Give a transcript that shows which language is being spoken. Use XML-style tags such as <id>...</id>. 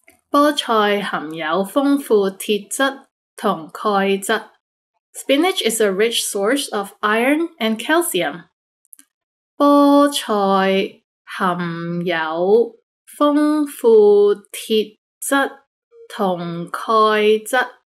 <yue>菠菜含有丰富铁质同钙质。</yue> <en>Spinach is a rich source of iron and calcium.</en> <yue>菠菜含有丰富铁质同钙质。</yue>